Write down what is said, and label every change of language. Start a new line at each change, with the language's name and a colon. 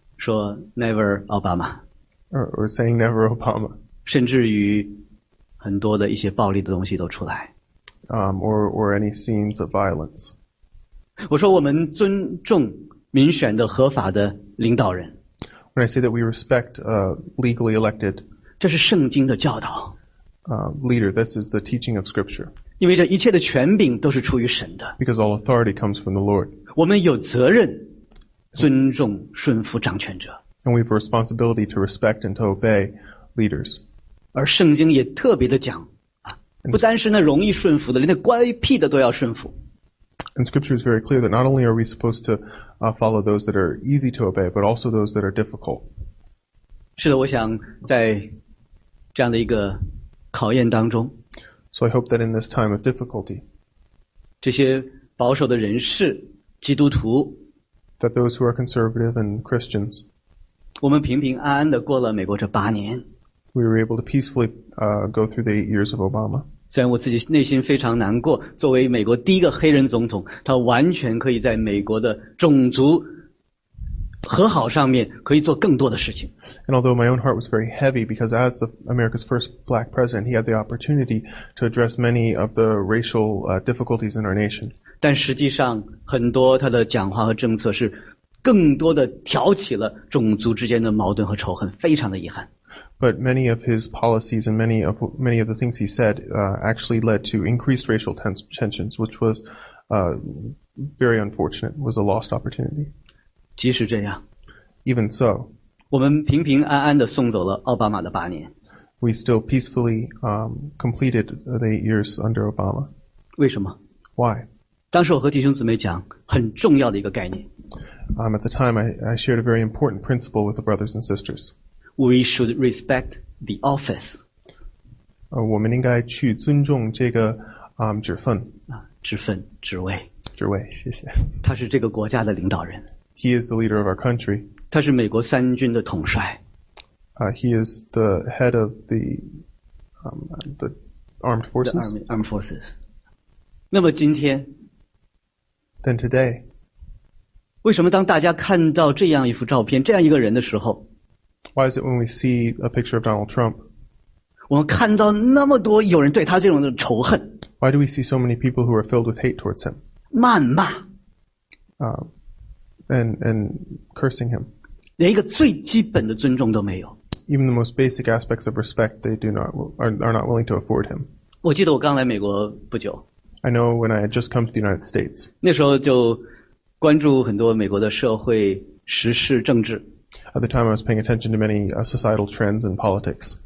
Chinese: 说
English: never Obama. Or saying never Obama.
Chinese: 甚至于很多的一些暴力的东西都出来。
English: Or any scenes of violence.
Chinese: 我说我们尊重民选的合法的领导人。
English: When I say that we respect legally elected.
Chinese: 这是圣经的教导。
English: Leader, this is the teaching of Scripture.
Chinese: 因为这一切的权柄都是出于神的。
English: Because all authority comes from the Lord.
Chinese: 我们有责任尊重顺服掌权者。
English: And we have a responsibility to respect and to obey leaders.
Chinese: 而圣经也特别的讲，不单是那容易顺服的，连那乖僻的都要顺服。
English: And Scripture is very clear that not only are we supposed to follow those that are easy to obey, but also those that are difficult.
Chinese: 是的，我想在这样的一个考验当中。
English: So I hope that in this time of difficulty,
Chinese: 这些保守的人士，基督徒。
English: That those who are conservative and Christians.
Chinese: 我们平平安安的过了美国这八年。
English: We were able to peacefully go through the 8 years of Obama.
Chinese: 虽然我自己内心非常难过，作为美国第一个黑人总统，他完全可以在美国的种族和好上面可以做更多的事情。
English: And although my own heart was very heavy because as America's first black president, he had the opportunity to address many of the racial difficulties in our nation.
Chinese: 但实际上很多他的讲话和政策是更多的挑起了种族之间的矛盾和仇恨，非常的遗憾。
English: But many of his policies and many of the things he said actually led to increased racial tensions, which was very unfortunate, was a lost opportunity.
Chinese: 即使这样,
English: Even so,
Chinese: 我们平平安安地送走了奥巴马的八年,
English: we still peacefully completed the 8 years under Obama.
Chinese: 为什么?
English: Why?
Chinese: 当时我和弟兄姊妹讲很重要的一个概念,
English: at the time, I shared a very important principle with the brothers and sisters. We should respect the office.
Chinese: 我们应该去尊重这个职分。职分，职位。职位，谢谢。他是这个国家的领导人。
English: He is the leader of our country.
Chinese: 他是美国三军的统帅。
English: He is the head of the armed forces. Armed forces.
Chinese: 那么今天。
English: Then today.
Chinese: 为什么当大家看到这样一幅照片，这样一个人的时候，
English: Why is it when we see a picture of Donald Trump?
Chinese: 我们看到那么多有人对他这种的仇恨。
English: Why do we see so many people who are filled with hate towards him?
Chinese: 谩骂。
English: And cursing him.
Chinese: 连一个最基本的尊重都没有。
English: Even the most basic aspects of respect, they do not are not willing to afford him.
Chinese: 我记得我刚来美国不久。
English: I know when I had just come to the United States.
Chinese: 那时候就关注很多美国的社会时事政治。
English: At the time, I was paying attention to many societal trends and politics.